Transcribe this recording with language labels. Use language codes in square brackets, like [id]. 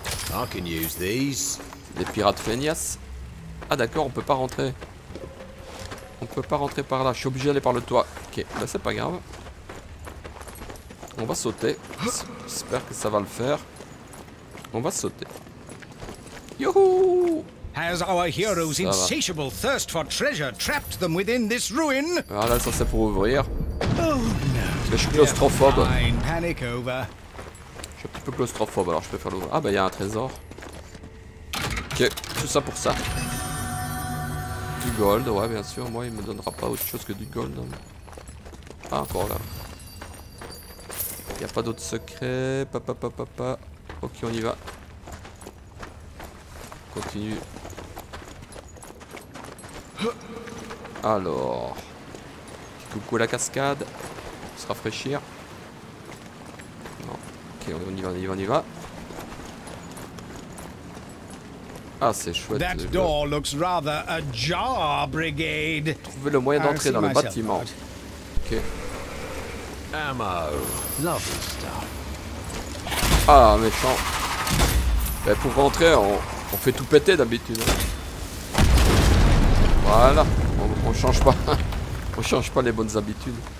[en] I can use these. [fr] Des pirates feignas. Ah, d'accord, on peut pas rentrer. On peut pas rentrer par là, je suis obligé d'aller par le toit. Ok, bah c'est pas grave. On va sauter. J'espère que ça va le faire. On va sauter. Youhou! [en] Has our hero's insatiable thirst for treasure trapped them within this ruin? [fr] Ah là, ça c'est pour ouvrir. [en] Oh, no. [fr] Je suis claustrophobe. [en] Panic over. [fr] Je suis un petit peu claustrophobe, alors je préfère l'ouvrir. Ah bah, il y a un trésor. Ok, tout ça pour ça. Du gold, ouais, bien sûr. Moi, il me donnera pas autre chose que du gold. Hein. Ah, encore là. Il y a pas d'autre secret. Papa. Ok, on y va. Continue. Alors, coucou la cascade. On se rafraîchir. Non. Ok, on y va. Ah, c'est chouette. [en] That door looks rather ajar, Brigade. [fr] Trouver le moyen d'entrer dans le bâtiment. Ok. [en] Ammo. Lovely stuff. [fr] Ah, méchant. Mais pour rentrer, on fait tout péter d'habitude. Voilà. On change pas. On change pas les bonnes habitudes.